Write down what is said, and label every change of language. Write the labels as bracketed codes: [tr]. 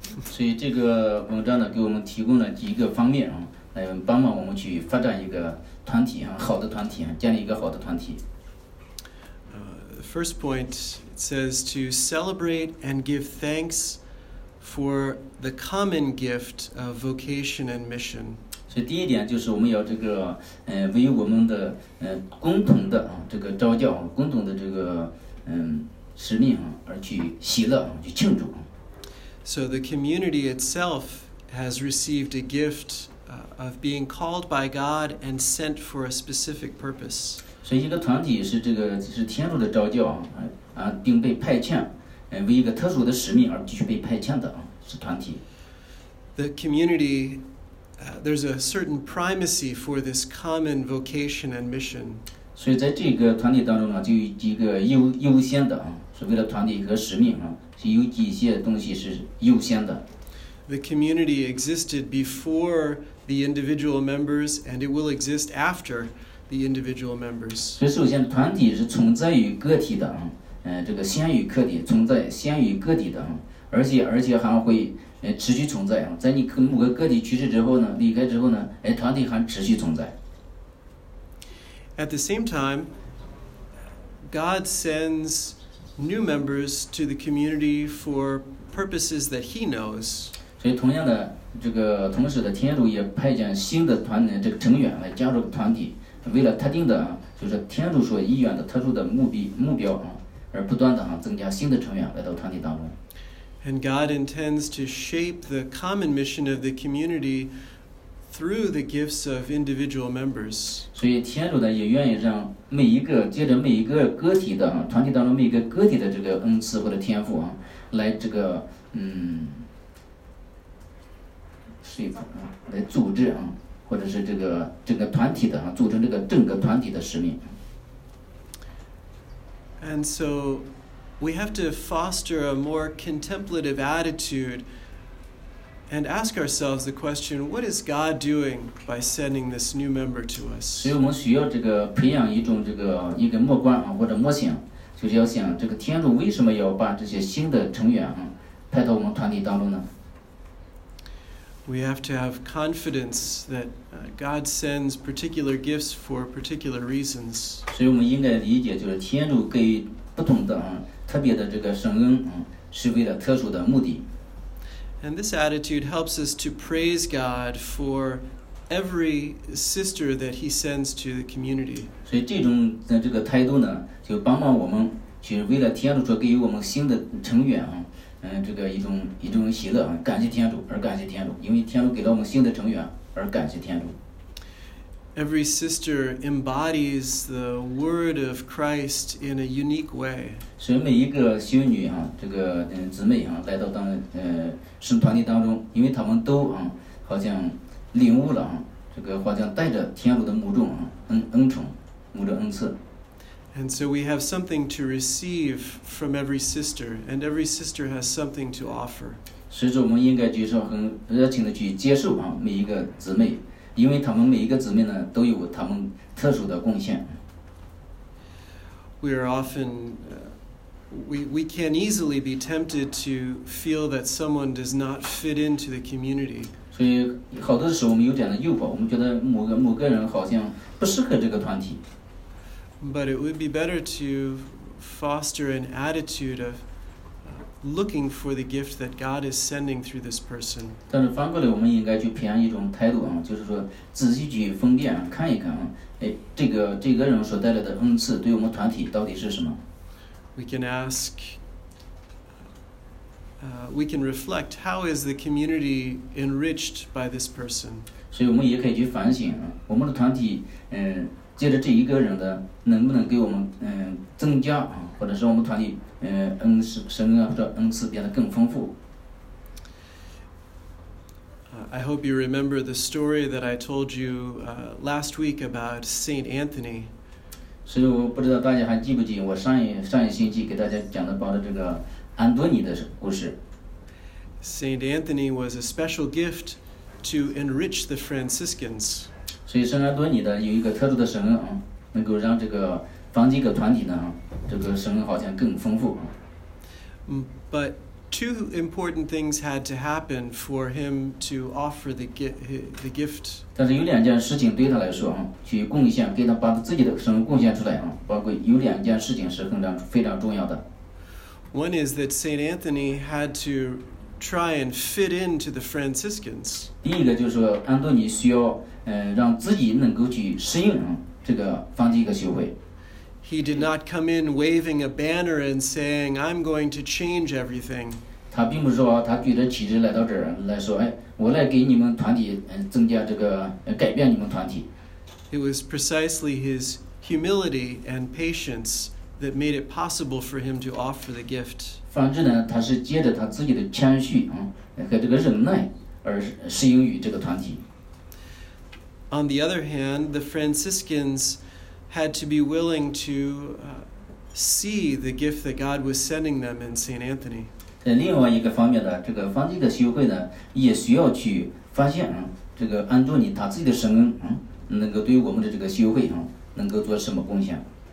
[zh] 所以这个文章呢，给我们提供了几个方面来帮忙我们去发展一个团体好的团体建立一个好的团体。 [en] The first point it says to celebrate and give thanks for the common gift of vocation and mission. [zh] 所以第一点就是我们要这个为我们的共同的这个召教共同的这个使命而去喜乐去庆祝。 [en] So the community itself has received a gift of being called by God and sent for a specific purpose. [zh] 所以一个团体是这个是天主的召叫啊，并被派遣，为一个特殊的使命而继续被派遣的啊，是团体。 [en] The community, there's a certain primacy for this common vocation and mission. [zh] 所以在这个团体当中呢，就有一个优先的啊，所谓的团体和使命啊，是有几些东西是优先的。 [en] The community existed before the individual members, and it will exist after the individual members. [zh] 所以首先，团体是存在于个体的啊，这个先于个体，存在先于个体的啊，而且还会。持续存在啊，在你跟某个个体去世之后呢，离开之后呢，团体还持续存在。 [en] At the same time, God sends new members to the community for purposes that He knows. [zh] 所以同样的，这个同时的，天主也派遣新的团的这个成员来加入团体，为了特定的啊，就是天主所意愿的特殊的目标啊，而不断的啊增加新的成员来到团体当中。 [en] And God intends to shape the common mission of the community through the gifts of individual members. [zh] 所以天主呢也愿意让每一个接着每一个个体的啊，团体当中每一个个体的这个恩赐或者天赋啊，来这个来组织啊，或者是这个整个团体的啊，组成这个整个团体的使命。 [en] And so. We have to foster a more contemplative attitude and ask ourselves the question, what is God doing by sending this new member to us? [zh] 所以我们需要这个培养一种这个一个默观啊或者默想，就是要想这个天主为什么要把这些新的成员啊派到我们团体当中呢？ [en] We have to have confidence that God sends particular gifts for particular reasons. [zh] 所以我们应该理解就是天主给不同的啊。特别的这个圣恩，是为了特殊的目的。 [en] And this attitude helps us to praise God for every sister that He sends to the community. [zh] 所以这种的这个态度呢，就帮忙我们去为了天主所给予我们新的成员啊，这个一种喜乐啊，感谢天主而感谢天主，因为天主给了我们新的成员而感谢天主。 [en] Every sister embodies the word of Christ in a unique way. [zh] 所以每一个修女啊，这个姊妹啊，来到神团体当中，因为他们都啊，好像领悟了啊，这个好像带着天主的某种啊恩宠，某种恩赐。 [en] And so we have something to receive from every sister, and every sister has something to offer. [zh] 所以说，我们应该接受很热情的去接受啊，每一个姊妹。因为他们每一个姊妹呢，都有他们特殊的贡献。 [en] We are often, we can easily be tempted to feel that someone does not fit into the community. [zh] 所以好多时候我们有这样的诱惑，我们觉得某个人好像不适合这个团体。 [en] But it would be better to foster an attitude of looking for the gift that God is sending through this person. [zh] 但是反过来，我们应该去培养一种态度啊，就是说仔细去分辨，看一看啊，这个人所带来的恩赐对我们团体到底是什么。 [en] We can ask, we can reflect, how is the community enriched by this person? [zh] 所以我们也可以去反省啊，我们的团体，借着这一个人的，能不能给我们增加啊，或者是我们团体。 [en] I hope you remember the story that I told you last week about Saint Anthony. [zh] 所以我不知道大家还记不记我上一星期给大家讲的包的这个安多尼的故事。 [en] Saint Anthony was a special gift to enrich the Franciscans. [zh] 所以圣安多尼的有一个特殊的神恩啊，能够让这个方济各团体呢。这个神好像更丰富。 [en] But two important things had to happen for him to offer the gift. [zh] 但是有两件事情对他来说，去贡献，给他把自己的神贡献出来，包括有两件事情是非常重要的。 [en] One is that Saint Anthony had to try and fit into the Franciscans. [zh] 第一个就是安多尼需要，让自己能够去适应这个方济各修会。 [en] He did not come in waving a banner and saying, I'm going to change everything. [zh] 他并不是说他举着旗帜来到这儿来说，哎，我来给你们团体增加这个改变你们团体。 [en] It was precisely his humility and patience that made it possible for him to offer the gift. [zh] 反之呢，他是借着他自己的谦虚和这个忍耐而适应于这个团体。 [en] On the other hand, the Franciscans had to be willing to see the gift that God was sending them in St. Anthony. [zh] 另外一个方面呢，这个方济各修会呢，也需要去发现这个安东尼他自己的生恩能够对我们的这个修会能够做什么贡献。